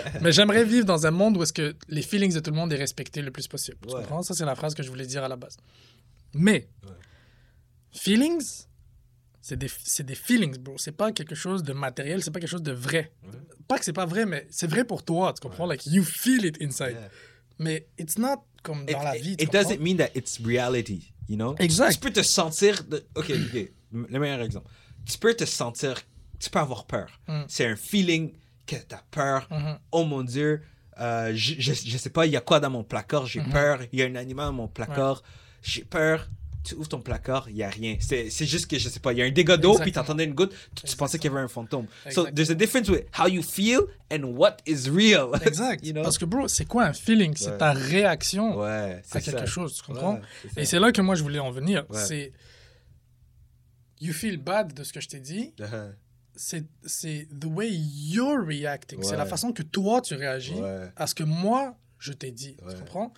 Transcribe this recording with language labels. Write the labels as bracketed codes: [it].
[fr] Mais j'aimerais vivre dans un monde où est-ce que les feelings de tout le monde est respecté le plus possible. Tu comprends? Ça, c'est la phrase que je voulais dire à la base. Mais, feelings, c'est des feelings, bro. C'est pas quelque chose de matériel, c'est pas quelque chose de vrai. Pas que c'est pas vrai, mais c'est vrai pour toi, tu comprends? [en] Like, you feel it inside. Mais it's not comme dans la vie, It doesn't mean that it's reality, you know? [fr] Exact. Tu peux te sentir... OK, le meilleur exemple. Tu peux te sentir... Tu peux avoir peur. C'est un feeling que t'as peur. Oh mon Dieu, je sais pas, il y a quoi dans mon placard, j'ai peur. Il y a un animal dans mon placard, j'ai peur. Tu ouvres ton placard, il n'y a rien. C'est juste que, je ne sais pas, il y a un dégât d'eau, puis tu entendais une goutte, tu pensais qu'il y avait un fantôme. Exactement. [en] So, there's a difference with how you feel and what is real. [fr] Exact. You know? Parce que, bro, c'est quoi un feeling? C'est ta réaction c'est à quelque chose, tu comprends? Ouais, c'est Et c'est là que moi, je voulais en venir. Ouais. C'est, you feel bad de ce que je t'ai dit. C'est the way you're reacting. C'est la façon que toi, tu réagis à ce que moi, je t'ai dit. Tu comprends?